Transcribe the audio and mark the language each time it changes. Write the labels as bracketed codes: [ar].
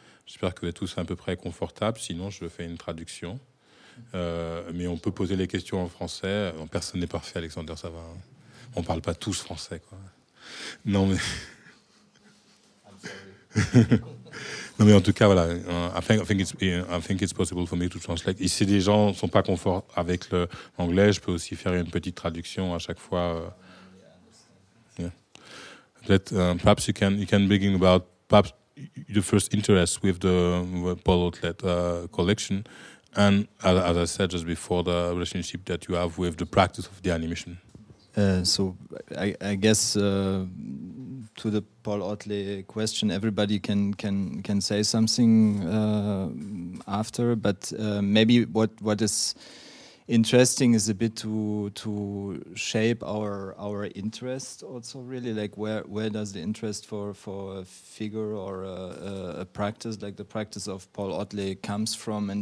[fr] J'espère que vous êtes tous à peu près confortables, sinon je fais une traduction. Mais on peut poser les questions en français. Non, personne n'est parfait, Alexander, ça va. Hein. On ne parle pas tous français, quoi. Non, mais... Non, mais en tout cas, voilà. [en] I think it's possible for me to translate. [fr] Et si les gens ne sont pas confort avec l'anglais, je peux aussi faire une petite traduction à chaque fois. [en] Perhaps you can begin about perhaps your first interest with the Paul Hotlet collection, and as I said just before, the relationship that you have with the practice of the animation. So I guess to the Paul Hotlet question, everybody can say something after, but maybe what is interesting is a bit to shape our interest also, really, like where does the interest for a figure or a practice like the practice of Paul Hotlet comes from.